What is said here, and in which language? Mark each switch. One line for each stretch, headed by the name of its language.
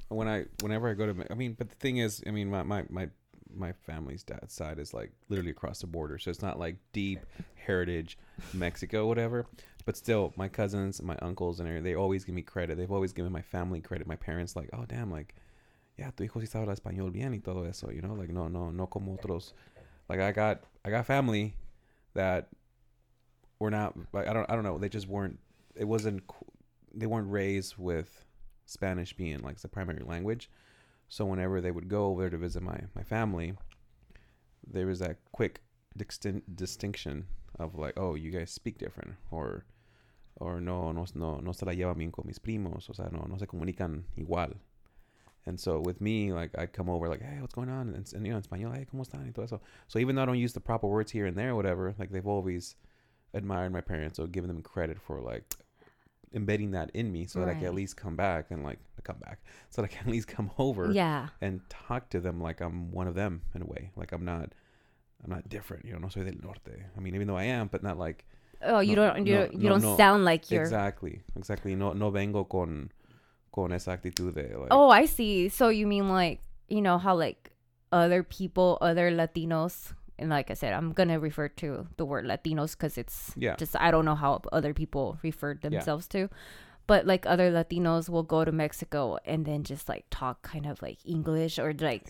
English: Whenever I go to, I mean, but the thing is, I mean, my family's dad's side is like literally across the border. So it's not like deep heritage Mexico, whatever. But still, my cousins, my uncles and everything, they always give me credit. They've always given my family credit. My parents like, oh, damn, like.
Spanish: Yeah, tu hijo sí sabe español bien y todo eso,
English: you know, like,
Spanish: no como otros.
English: Like, I got family that were not, like, I don't know, they just weren't, they weren't raised with Spanish being, like, the primary language. So whenever they would go over there to visit my family, there was that quick distinction of, like, oh, you guys speak different, or
Spanish: no se la llevan bien con mis primos, o sea, no se comunican igual.
English: And so with me, like, I come over, like, hey, what's going on? And you know, in Spanish, hey,
Spanish: ¿cómo están? Y todo eso.
English: So even though I don't use the proper words here and there or whatever, like, they've always admired my parents or given them credit for, like, embedding that in me so right. that I can at least come back and, like, come back. So that I can at least come over yeah. and talk to them like I'm one of them in a way. Like, I'm not different, you know,
Spanish: no soy del norte.
English: I mean, even though I am, but not like... Oh, you don't sound like you're... Exactly.
Spanish: No vengo con esa actitud de,
English: like. Oh, I see. So you mean, like, you know how, like, other people, other Latinos, and like I said, I'm gonna refer to the word Latinos because it's yeah. just I don't know how other people refer themselves yeah. to, but like other Latinos will go to Mexico and then just like talk kind of like English or like